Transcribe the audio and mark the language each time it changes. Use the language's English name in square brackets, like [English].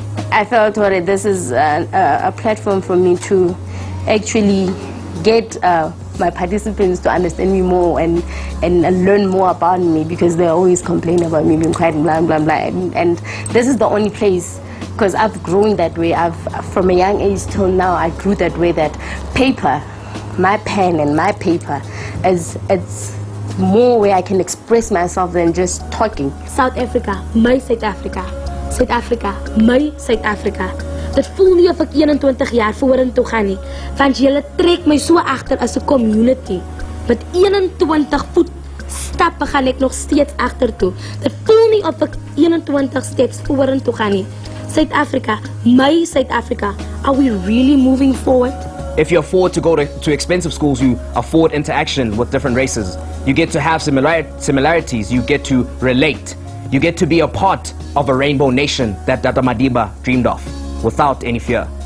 [English] I felt what it, this is a platform for me to actually get my participants to understand me more and learn more about me, because they always complain about me being quiet and blah blah blah, and this is the only place, because I've grown that way. I've, from a young age till now, I grew that way, that paper, my pen and my paper, is it's more where I can express myself than just talking. South Africa, my South Africa. South Africa, my South Africa. [Afrikaans] Dit voel nie of ek 21 jaar vorentoe toe gaan nie, want julle trek my so agter as 'n community. Met 21 voet stappe gaan ek nog steeds agter toe. Dit voel nie of ek 21 steps vorentoe toe gaan nie. [English] South Africa, my South Africa. Are we really moving forward? If you afford to go to expensive schools, you afford interaction with different races. You get to have similarities, you get to relate. You get to be a part of a rainbow nation that Dada Madiba dreamed of, without any fear.